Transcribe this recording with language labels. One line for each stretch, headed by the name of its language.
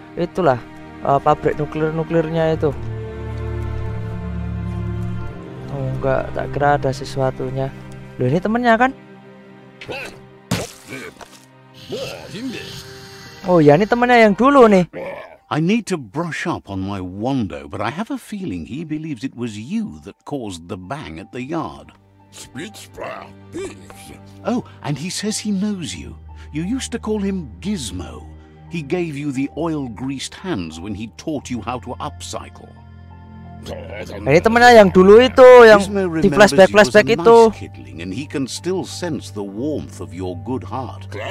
Indonesian: Itulah pabrik nuklirnya itu. Oh, enggak, tak kira ada sesuatunya. Loh, ini temennya kan? Oh ya, ini temennya yang dulu nih.
English: I need to brush up on my Wando, but I have a feeling he believes it was you that caused the bang at the yard. Oh, and he says he knows you. You used to call him Gizmo. He gave you the oil-greased hands when he taught you how to upcycle.
Indonesian: Ini temennya yang dulu itu, yang di flashback-flashback itu.
English: Nice kidling, and he can still sense the warmth of your good heart.